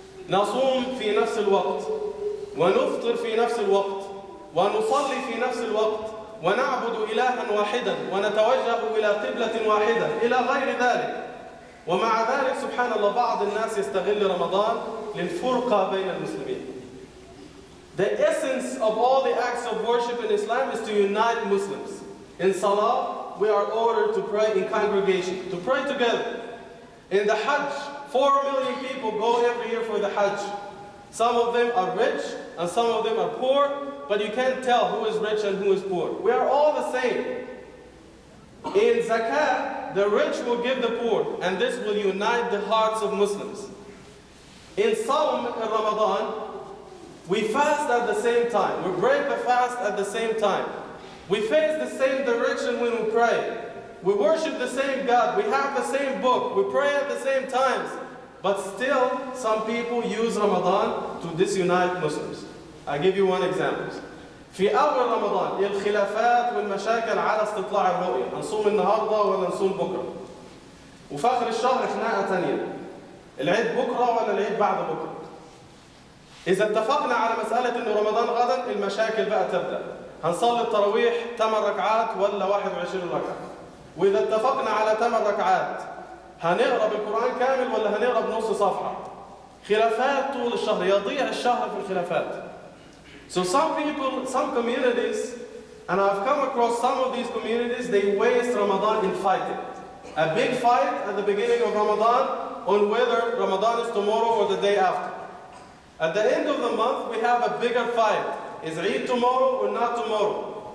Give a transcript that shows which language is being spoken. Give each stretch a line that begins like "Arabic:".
Arabic: نصوم في نفس الوقت، ونفطر في نفس الوقت، ونصلي في نفس الوقت، ونعبد إلها واحدا، ونتوجه إلى قبلة واحدة، إلى غير ذلك. ومع ذلك سبحان الله بعض الناس يستغل رمضان للفرقة بين المسلمين.
English: The essence of all the acts of worship in Islam is to unite Muslims. In Salah, we are ordered to pray in congregation, to pray together. In the Hajj, 4 million people go every year for the Hajj. Some of them are rich and some of them are poor, but you can't tell who is rich and who is poor. We are all the same. In Zakat, the rich will give the poor, and this will unite the hearts of Muslims. In Sawm in Ramadan, we fast at the same time. We break the fast at the same time. We face the same direction when we pray. We worship the same God. We have the same book. We pray at the same times. But still, some people use Ramadan to disunite Muslims. I give you one example.
Arabic: في أول رمضان الخلافات والمشاكل على استطلاع الرؤية، نصوم النهاردة ولا نصوم بكرة؟ وفي آخر الشهر خناقة تانية، العيد بكرة ولا العيد بعد بكرة؟ إذا اتفقنا على مسألة إن رمضان غدا، المشاكل بقى تبدأ. هنصلي التراويح 8 ركعات ولا 21 ركعة؟ وإذا اتفقنا على 8 ركعات هنقرأ بالقرآن كامل ولا هنقرأ بنص صفحة؟ خلافات طول الشهر، يضيع الشهر في الخلافات.
English: So some people, some communities, and I've come across some of these communities, they waste Ramadan in fighting. A big fight at the beginning of Ramadan on whether Ramadan is tomorrow or the day after. At the end of the month, we have a bigger fight. Is Eid tomorrow or not tomorrow?